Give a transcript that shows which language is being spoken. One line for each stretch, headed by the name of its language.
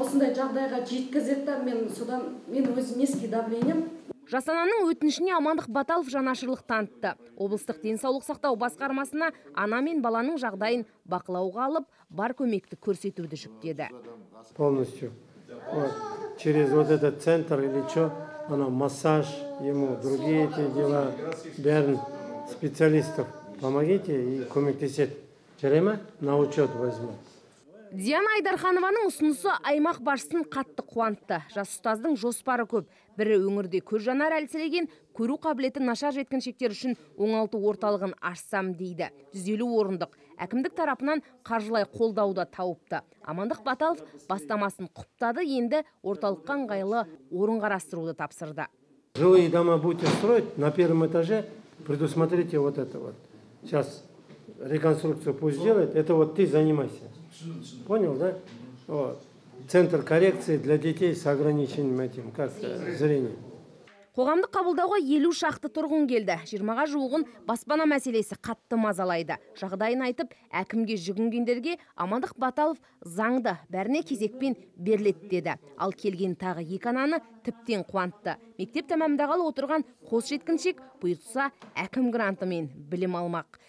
Kazakh: Осындай жағдайға жеткізеді да, мен өзім неске давлением. Жасананың өтінішіне Амандық Баталов жанашырлық танытты. Облыстық денсаулық сақтау басқармасына ана мен баланың жағдайын бақылауға алып, бар көмекті көрсетуді жүктеді.
Russian: Полностью. Через вот этот центр или что,
Kazakh: ана массаж,
Russian: ему другие эти дела, бәрін специалистов, помогите и
Kazakh: көмектесет. Жарайма,
Russian: на учет возьму.
Kazakh: Диана Айдарханованың ұсынысы аймақ басшысын қатты қуантты. Жас ұстаздың жоспары көп. Бірі өңірде көз жанар әлсіреген, көру қабілеті нашар жеткіншектер үшін оңалту орталығын ашсам дейді. 150 орындық әкімдік тарапынан қаржылай қолдауда тауыпты. Амандық Баталов бастамасын құптады, енді орталыққа ыңғайлы орын қарастыруды тапсырды.
Russian: Жилые дома будете строить, на первом этаже предусмотрите вот это вот. Сейчас реконструкцию пусть сделает, это вот ты занимайся. Понял, да? Вот. Центр коррекции для детей с ограниченным этим, как зрением.
Kazakh: Қоғамды қабылдауға 50 шақты тұрғын келді. 20-ға жуығын баспана мәселесі қатты мазалайды. Жағдайын айтып, әкімге жүгінгендерге Амандық Баталов заңды бәріне кезекпен берілетті деді. Ал келген тағы екі ананы тіптен қуантты. Мектеп тәмамдағалы отырған қос жеткіншек бұйыртса әкім грантымен білім алмақ.